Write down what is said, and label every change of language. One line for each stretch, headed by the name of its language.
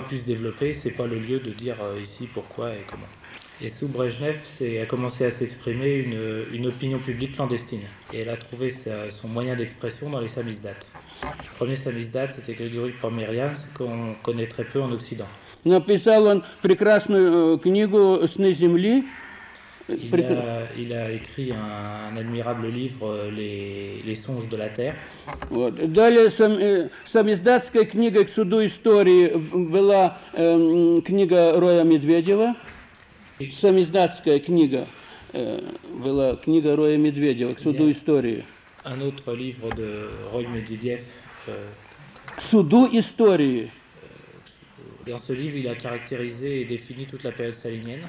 French: pu se développer, c'est pas le lieu de dire ici pourquoi et comment. Et sous Brejnev, a commencé à s'exprimer une opinion publique clandestine. Et elle a trouvé son moyen d'expression dans les samizdat. Le premier samizdat, c'était Grigory Pomerian, qu'on connaît très peu en Occident.
Russian: Написал он прекрасную книгу «Сны земли».
French: Il a écrit un admirable livre «Les songes de la terre».
Russian: Вот. Далее самиздатская книга к суду истории была книга Роя Медведева. Самиздатская книга была книга Роя Медведева к суду истории.
French: Un autre livre de Roy Medvedev.
Russian: К суду истории.
French: Dans ce livre, il a caractérisé et défini toute la période stalinienne.